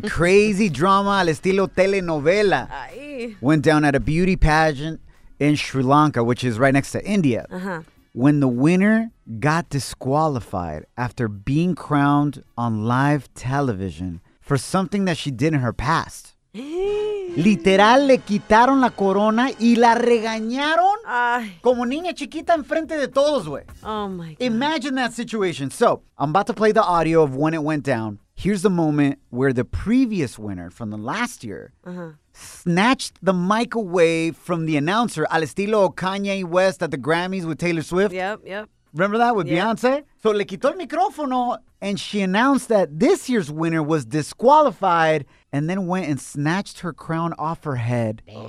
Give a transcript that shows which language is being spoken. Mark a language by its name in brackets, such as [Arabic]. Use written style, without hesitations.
[English] Crazy drama [Spanish] al estilo telenovela. Aye. [English] Went down at a beauty pageant in Sri Lanka, which is right next to India. Uh-huh. When the winner got disqualified after being crowned on live television for something that she did in her past. [Spanish] Literal, le quitaron la corona y la regañaron como niña chiquita enfrente de todos, güey. [English] Oh, my God. Imagine that situation. So, I'm about to play the audio of when it went down. Here's the moment where the previous winner from the last year snatched the mic away from the announcer, [Spanish] al estilo [English] Kanye West at the Grammys with Taylor Swift. Yep. Remember that with Beyonce? So, [Spanish] le quitó el micrófono, [English] and she announced that this year's winner was disqualified and then went and snatched her crown off her head.